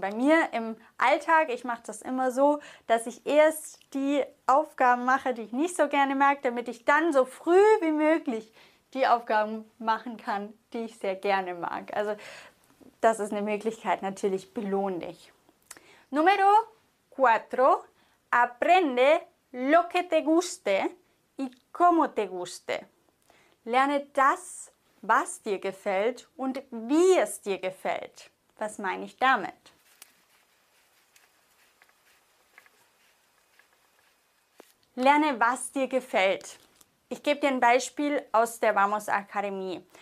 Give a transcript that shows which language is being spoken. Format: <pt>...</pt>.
<de>Bei mir im Alltag, ich mache das immer so, dass ich erst die Aufgaben mache, die ich nicht so gerne mag, damit ich dann so früh wie möglich die Aufgaben machen kann, die ich sehr gerne mag. Also das ist eine Möglichkeit, natürlich belohne dich.</de> <es>Numero 4. Aprende lo que te guste y como te guste.</es> <de>Lerne das, was dir gefällt und wie es dir gefällt. Was meine ich damit? Lerne, was dir gefällt. Ich gebe dir ein Beispiel aus der Vamos Akademie.</de>